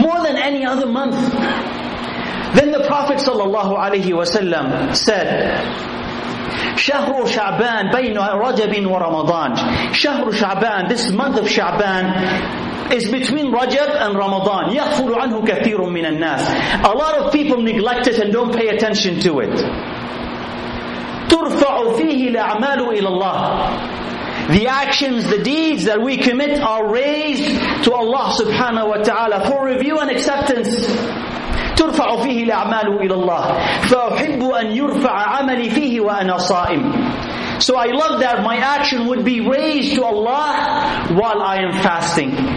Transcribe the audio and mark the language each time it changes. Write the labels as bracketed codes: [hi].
[en] More than any other month. Then the Prophet sallallahu alayhi wa sallam said, [ar] شهر شعبان بين رجب ورمضان. شهر شعبان, [en] this month of شعبان is between رجب and رمضان. [ar] يغفل عنه كثير من الناس. [en] A lot of people neglect it and don't pay attention to it. [ar] ترفع فيه الأعمال إلى الله. [en] The actions, the deeds that we commit are raised to Allah subhanahu wa ta'ala for review and acceptance. [ar] ترفع فيه الأعمال إلى الله فأحب أن يرفع عملي فيه وأنا صائم. [en] So I love that my action would be raised to Allah while I am fasting.